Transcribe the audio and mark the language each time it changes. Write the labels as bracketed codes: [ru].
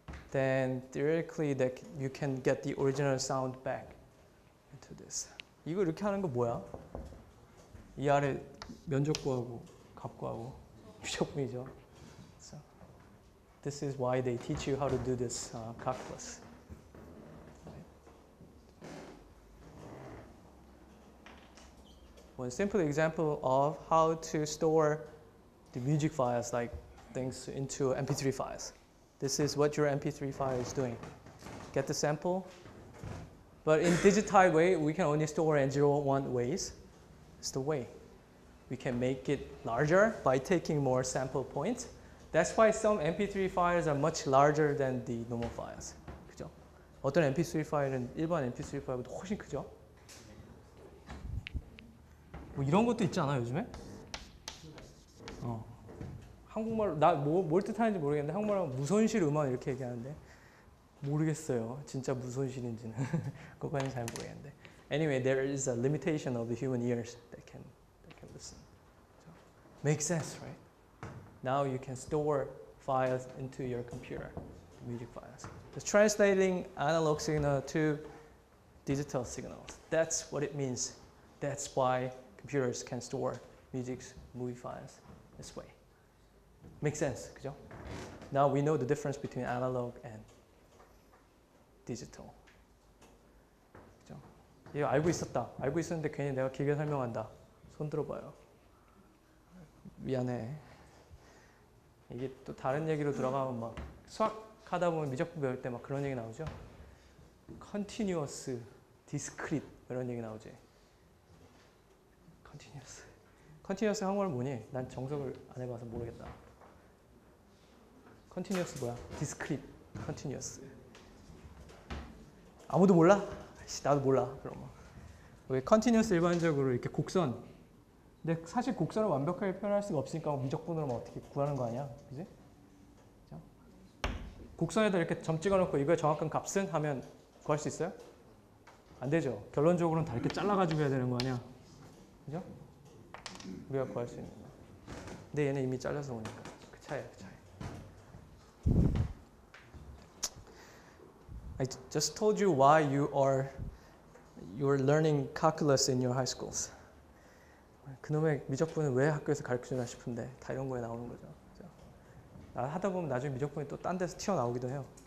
[en] Then theoretically that you can get the original sound back into this. [ko] 이거 이렇게 하는 거 뭐야? 이 아래 면접구하고 갑구하고 유적미죠. [en] So, this is why they teach you how to do this calculus. One simple example of how to store the music files, like things into MP3 files. This is what your MP3 file is doing. Get the sample. But in digitized way, we can only store in 0-1 ways. It's the way. We can make it larger by taking more sample points. That's why some MP3 files are much larger than the normal files. [ko] 그죠? 어떤 MP3 파일은 일반 MP3 파일보다 훨씬 크죠? 뭐 이런 것도 있지 않아 요즘에? 한국말로 나 뭘 뜻하는지 모르겠는데 한국말로 무손실 음원 이렇게 얘기하는데 모르겠어요. 진짜 무손실인지는 그거는 잘 모르겠는데. [en] Anyway, there is a limitation of the human ears that can listen. So, makes sense, right? Now you can store files into your computer, music files. It's translating analog signal to digital signals. That's what it means. That's why computers can store music, movie files this way. Makes sense, 그죠? Now we know the difference between analog and digital. [ko] 그죠? 이거 알고 있었다. 알고 있었는데 괜히 내가 길게 설명한다. 손 들어봐요. 미안해. 이게 또 다른 얘기로 들어가면 막 수학하다 보면 미적분 배울 때 막 그런 얘기 나오죠? Continuous, discrete 이런 얘기 나오지. [en] Continuous. [ko] Continuous 한국말 뭐니? 난 정석을 안 해봐서 모르겠다. [en] Continuous 뭐야? Discrete. Continuous. [ko] 아무도 몰라? 씨, 나도 몰라. 그럼. 우리 Continuous 일반적으로 이렇게 곡선. 근데 사실 곡선을 완벽하게 표현할 수가 없으니까 미적분으로 어떻게 구하는 거 아니야? 그지? 그렇죠? 곡선에다 이렇게 점 찍어놓고 이거 정확한 값은? 하면 구할 수 있어요? 안 되죠. 결론적으로는 다 이렇게 잘라가지고 해야 되는 거 아니야? 그죠? 우리가 구할 수 있는 거. 근데 얘는 이미 잘려서 오니까. 그 차이야, 그 차이. [en] I just told you why you're learning calculus in your high schools. [ko] 그놈의 미적분은 왜 학교에서 가르쳐주나 싶은데 다 이런 거에 나오는 거죠. 그렇죠? 하다 보면 나중에 미적분이 또 딴 데서 튀어나오기도 해요.